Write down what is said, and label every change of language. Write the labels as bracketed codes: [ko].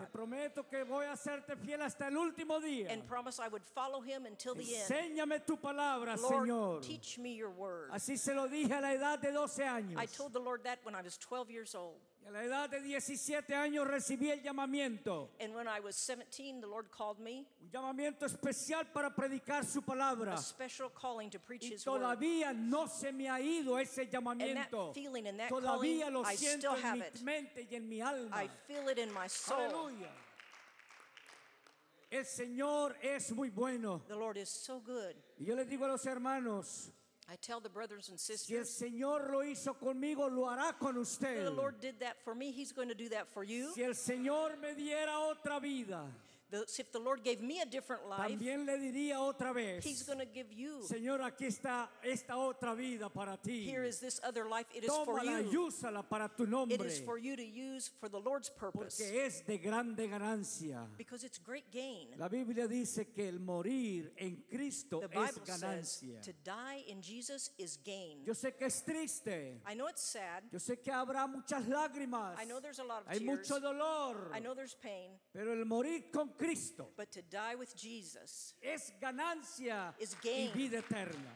[es] Te prometo que voy a serte fiel hasta el último día. [en] And promise I would follow him until the end. [es] Enséñame tu palabra, Señor. [en] Teach me your word. [es] Así se lo dije a la edad de 12 años. [en] I told the Lord that when I was 12 years old. [es] Y a la edad de 17 años recibí el llamamiento. [en] And when I was 17, the Lord called me. [es] Un llamamiento especial para predicar su palabra. [en] A special calling to preach his word. [es] Y todavía no se me ha ido ese llamamiento. [en] And that feeling and that [es] todavía [en] calling, [es] lo siento [en] I still have [es] en mi mente y en mi alma. [en] I feel it in my soul. [es] Aleluya. El Señor es muy bueno. [en] The Lord is so good. [es] Y yo le digo a los hermanos, [en] I tell the brothers and sisters, [es] si el Señor lo hizo conmigo, lo hará con usted. [en] The Lord did that for me, he's going to do that for you. [es] Si el Señor me diera otra vida, [en] if the Lord gave me a different life, [es] también le diría otra vez, [en] he's going to give you, [es] Señor, aquí está esta otra vida para ti. [en] Here is this other life, it [es] tómala, [en] is for you. [es] Y úsala para tu nombre. [en] It is for you to use for the Lord's purpose. [es] Porque es de grande ganancia. [en] Because it's great gain. [es] La Biblia dice que el morir en Cristo es ganancia. [en] The Bible says to die in Jesus is gain. [es] Yo sé que es triste. [en] I know it's sad. [es] Yo sé que habrá muchas lágrimas. [en] I know there's a lot of [es] hay [en] tears. [es] Hay mucho dolor. [en] I know there's pain. [es] Pero el morir con Cristo, [en] but to die with Jesus [es] es ganancia, [en] is gain [es] y vida eterna,